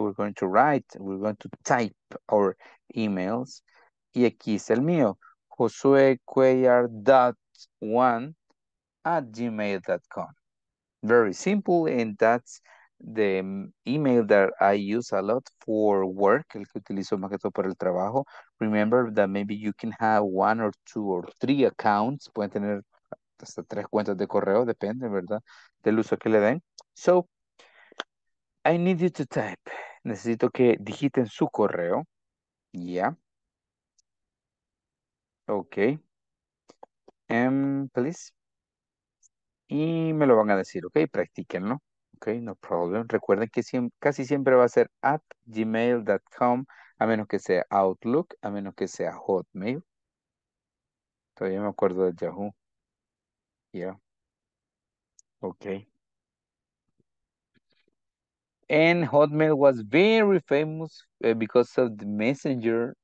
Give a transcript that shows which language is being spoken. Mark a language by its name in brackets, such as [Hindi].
[English] We're going to write, we're going to type our emails. [Spanish] Y aquí es el mío, josuecuellar.one@gmail.com. [English] Very simple, and that's the email that I use a lot for work, [Spanish] el que utilizo más que todo para el trabajo. [English] Remember that maybe you can have one or two or three accounts. [Spanish] Pueden tener hasta tres cuentas de correo, depende, ¿verdad? Del uso que le den. [English] So, I need you to type. [Spanish] Necesito que digiten su correo. Yeah. Okay, please, y me lo van a decir, okay, practíquenlo, okay, no problem, recuerden que casi siempre va a ser at gmail.com, a menos que sea Outlook, a menos que sea Hotmail, todavía me acuerdo de Yahoo, yeah, okay, [English] and Hotmail was very famous because of the messenger.